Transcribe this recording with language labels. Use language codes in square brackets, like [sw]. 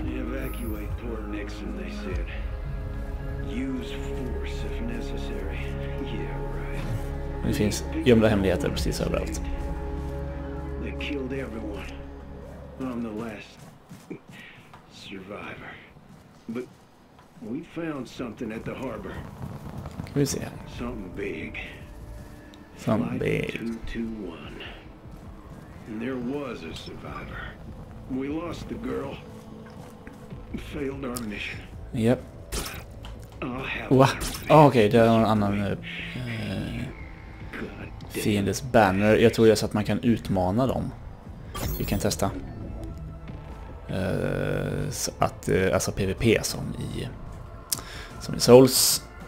[en] Evacuate Port Nixon, they said. Use force if necessary. Yeah, right. [sv] Det finns gömda hemligheter precis överallt. [en] They killed everyone. I'm the last survivor. But we found something at the harbor. Can we see it? Something big. Something big. 221. And there was a survivor. We lost the girl. Failed our mission. Yep. [sv] Va? Ah, okej, okay, det är någon annan fiendes banner. Jag tror det är så att man kan utmana dem. Vi kan testa. Så att, alltså PvP som i Souls.